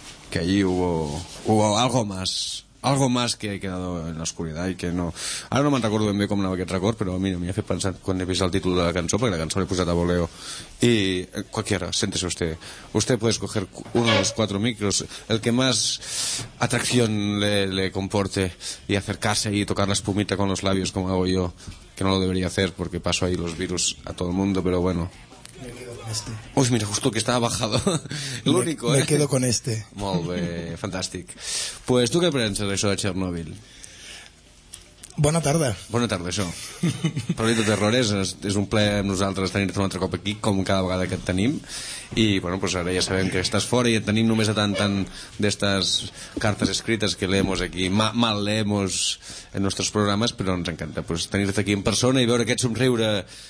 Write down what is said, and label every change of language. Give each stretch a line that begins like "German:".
Spanish: Que allí hubo algo más que he quedado en l'oscuridad
Catalan: i que no... Ara no me'n recordo ben bé com anava aquest record, però mira, m'hi ha fet pensar quan he vist el títol de la cançó, perquè la cançó l'he posat a voleo.
Spanish: I cualquiera, siéntese usted. Usted puede escoger uno de los cuatro micros, el que más atracción le comporte, y acercarse y tocar la espumita con los labios como hago yo, que no lo debería hacer porque paso ahí los virus a todo el mundo, pero bueno... Uy, mira, justo que estaba bajado.
Catalan: L'únic,
Spanish: me quedo con este.
Catalan: Molt bé, fantàstic. Pues tu què penses d'això de Chernobyl? Bona tarda. Bona tarda, això. Parlant de terror, és un plaer amb nosaltres tenir-te un altre cop aquí, com cada vegada que et tenim. I, bueno, pues ara ja sabem que estàs fora i et tenim només a tant d'estes cartes escrites
Spanish: que leemos aquí, mal leemos
Catalan: en nostres programes, però ens encanta pues, tenir-te aquí en persona i veure aquest somriure...